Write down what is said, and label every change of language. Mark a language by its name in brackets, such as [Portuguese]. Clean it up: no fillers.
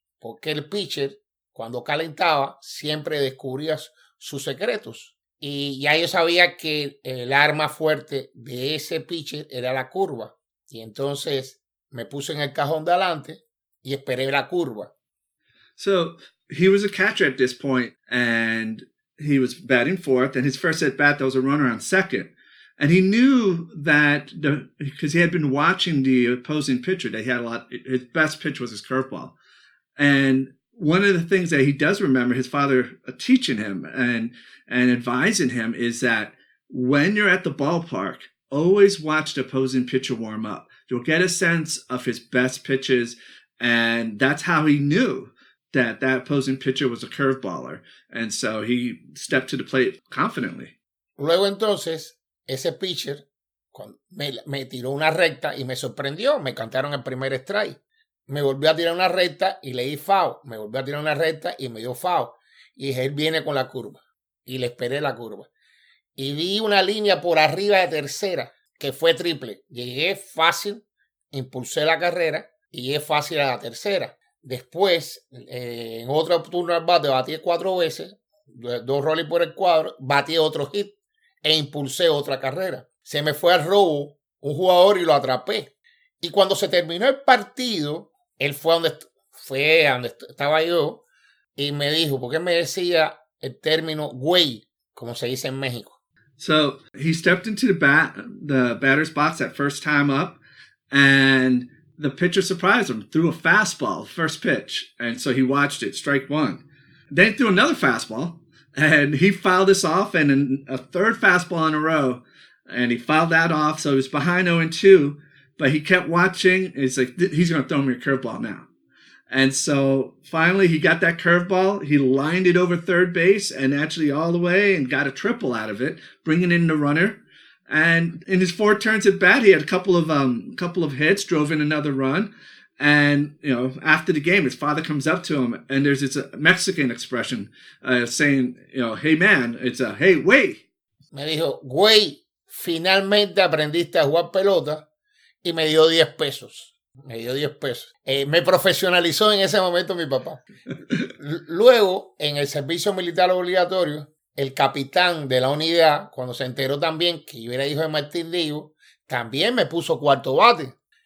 [Spanish] Porque el pitcher, cuando calentaba, siempre descubría sus secretos. Y ya yo sabía que el arma fuerte de ese pitcher era la curva. Y entonces me puse en el cajón de adelante y esperé la curva. [English] So, he was a catcher at this point, and he was batting fourth, and his first at bat, there was a runner on second. And he knew that, because he had been watching the opposing pitcher, that he had a lot, his best pitch was his curveball. And one of the things that he does remember his father teaching him and advising him is that when you're at the ballpark, always watch the opposing pitcher warm up. You'll get a sense of his best pitches. And that's how he knew that that opposing pitcher was a curveballer. And so he stepped to the plate confidently. [Spanish] Luego entonces, ese pitcher me tiró una recta y me sorprendió. Me cantaron el primer strike. Me volvió a tirar una recta y le di foul. Me volvió a tirar una recta y me dio foul. Y dije, él viene con la curva. Y le esperé la curva. Y vi una línea por arriba de tercera, que fue triple. Llegué fácil, impulsé la carrera y llegué fácil a la tercera. Después, en otro turno al bate, batí cuatro veces, dos rolling por el cuadro, batí otro hit e impulsé otra carrera. Se me fue al robo un jugador y lo atrapé. Y cuando se terminó el partido, él fue a donde estaba yo y me dijo, ¿por qué me decía el término güey, como se dice en México? [English] So he stepped into the batter's box that first time up, and the pitcher surprised him, threw a fastball, first pitch, and so he watched it, strike one. Then he threw another fastball, and he fouled this off, and a third fastball in a row, and he fouled that off, so he was behind 0-2. But he kept watching. He's like, he's going to throw me a curveball now. And so finally he got that curveball. He lined it over third base and actually all the way and got a triple out of it, bringing in the runner. And in his four turns at bat, he had a couple of hits, drove in another run. And, you know, after the game, his father comes up to him and there's this Mexican expression saying, you know, hey, man, it's a hey, güey. [Spanish] Me dijo, güey, finalmente aprendiste a jugar pelota. Y me dio 10 pesos. Me dio 10 pesos. Me profesionalizó en ese momento mi papá. Luego, en el servicio militar obligatorio, el capitán de la unidad, cuando se enteró también que yo era hijo de Martín Diego, también me puso cuarto bate.